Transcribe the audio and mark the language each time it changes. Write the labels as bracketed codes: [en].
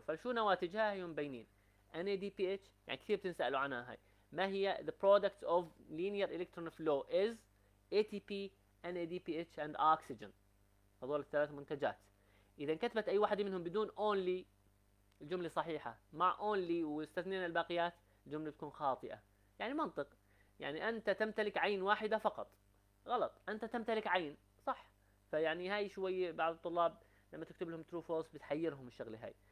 [ar] فشو نواتجها؟ هي مبينين NADPH، يعني كثير بتنسألوا عنها هاي. ما هي [en] the product of linear electron flow is ATP, NADPH and oxygen. [ar] هذول الثلاث منتجات. إذا كتبت أي واحدة منهم بدون only الجملة صحيحة، مع only واستثنينا الباقيات الجملة تكون خاطئة. يعني منطق، يعني أنت تمتلك عين واحدة فقط، غلط، أنت تمتلك عين صح. فيعني هاي شوي بعض الطلاب لما تكتب لهم true false بتحيرهم الشغلة هاي.